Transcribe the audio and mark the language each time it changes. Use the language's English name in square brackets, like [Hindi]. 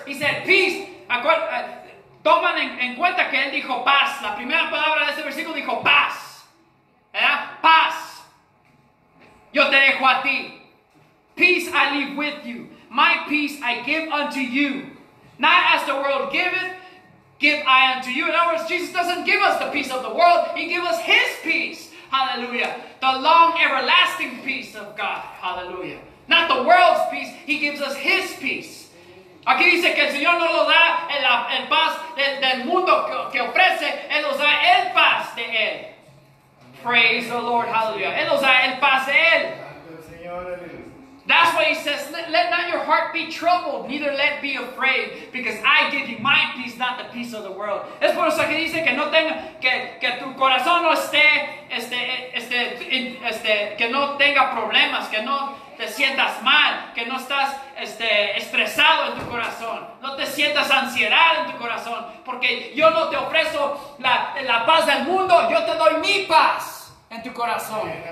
[English] He said, peace, [Spanish] toman en cuenta que él dijo paz. La primera palabra de ese versículo dijo paz. ¿Verdad? Paz. Yo te dejo a ti. [English] Peace I leave with you. My peace I give unto you. Not as the world giveth, give I unto you. In other words, Jesus doesn't give us the peace of the world. He gives us his peace. Hallelujah. The long everlasting peace of God. Hallelujah. Not the world's peace. He gives us his peace. [Spanish] Aquí dice que el Señor no lo da el paz del mundo que ofrece. Él nos da el paz de él. [English] Praise the Lord. [Spanish] Hallelujah. Él nos da el paz de él. [English] That's why he says, let not your heart be troubled, neither let be afraid, because I give you my peace, not the peace of the world. [Spanish] Es por eso que dice que no tenga, que tu corazón no esté, que no tenga problemas, que no te sientas mal, que no estás estresado en tu corazón. No te sientas ansiedad en tu corazón, porque yo no te ofrezco la paz del mundo, yo te doy mi paz en tu corazón.